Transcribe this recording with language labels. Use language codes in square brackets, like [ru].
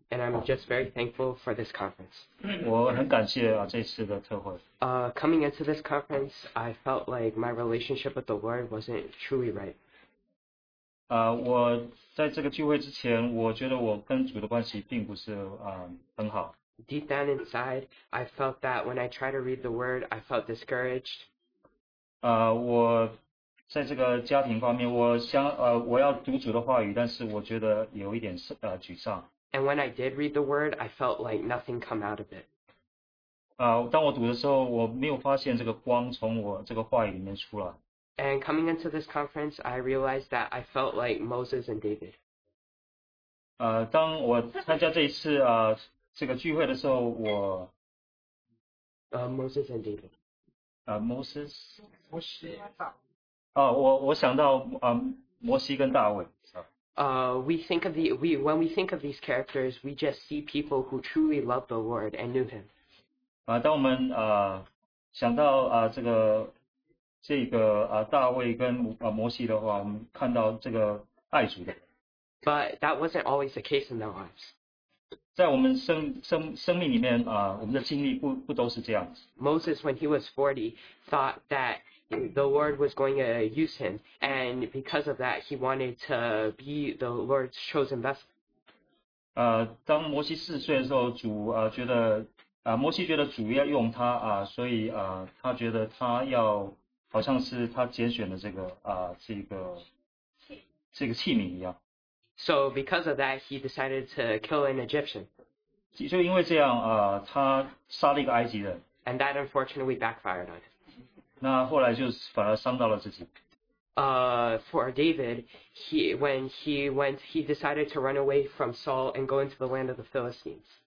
[en] And I'm just very thankful for this conference. [zh] 我很感谢这次的特会。 [en] Coming into this conference, I felt like my relationship with the Lord wasn't truly right. [zh] 我在这个聚会之前，我觉得我跟主的关系并不是很好。 [en] Deep down inside, I felt that when I try to read the word, I felt discouraged. [zh] 我在这个家庭方面，我要读主的话语，但是我觉得有一点沮丧。 [en] And when I did read the word, I felt like nothing come out of it. [zh] 当我读的时候，我没有发现这个光从我这个话语里面出来。 [en] And coming into this conference, I realized that I felt like Moses and David. [zh] 当我参加这一次这个聚会的时候，我 [en] Moses and David. Moses. [zh] 摩西。我想到摩西跟大卫。 [en] When we think of these characters, we just see people who truly loved the Lord and knew Him. [zh] 当我们想到这个。这个大卫跟摩西的话，我们看到这个爱主的。 [en] But that wasn't always the case in their lives. [zh] 在我们生命里面我们的经历不都是这样子。 [en] Moses, when he was 40, thought that the Lord was going to use him, and because of that, he wanted to be the Lord's chosen vessel. [zh] 当摩西四岁的时候，主觉得摩西觉得主要用他所以他觉得他要。好像是他拣选的这个器皿一样。 [en] So because of that, he decided to kill an Egyptian. [zh] 就因为这样他杀了一个埃及人。 [en] And that unfortunately backfired on him. [zh] 那后来就反而伤到了自己。 [en] for David, when he decided to run away from Saul and go into the land of the Philistines.